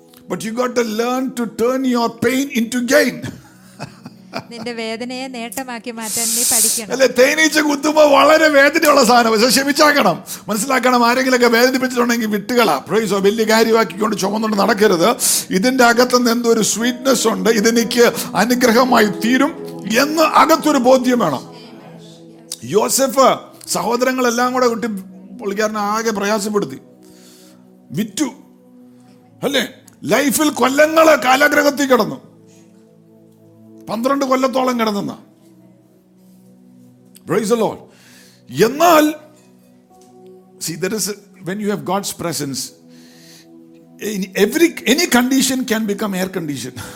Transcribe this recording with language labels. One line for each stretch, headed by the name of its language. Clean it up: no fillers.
English: But you got to learn to turn your pain into gain.
Malayalam: നിന്റെ വേദനയെ നേട്ടമാക്കി മാറ്റാൻ നീ പഠിക്കണം. അല്ലേ, തേനീച്ച കുത്തുമ്പോൾ വളരെ വേദനയുള്ള സാധനം. പക്ഷേ ക്ഷമിച്ചാക്കണം, മനസ്സിലാക്കണം. ആരെങ്കിലുമൊക്കെ വേദനിപ്പിച്ചിട്ടുണ്ടെങ്കിൽ വിട്ടുകളാ.
English: Praise the Lord.
Malayalam: കാര്യമാക്കിക്കൊണ്ട് ചുമന്നുകൊണ്ട് നടക്കരുത്. ഇതിന്റെ അകത്തുനിന്ന് എന്തോ ഒരു സ്വീറ്റ്നെസ് ഉണ്ട്, ഇതെനിക്ക് അനുഗ്രഹമായി തീരും എന്ന് അകത്തൊരു ബോധ്യം വേണം. യോസഫ് സഹോദരങ്ങളെല്ലാം കൂടെ കുട്ടി പുള്ളിക്കാരനെ ആകെ പ്രയാസപ്പെടുത്തി, വിറ്റു അല്ലേ. ലൈഫിൽ കൊല്ലങ്ങള് കാലാഗ്രഹത്തിൽ കിടന്നു, 12 കൊല്ലത്തോളം കിടന്നെന്ന.
English: Praise the Lord. എന്നാൽ see, there is when you have God's presence in every any condition can become air condition.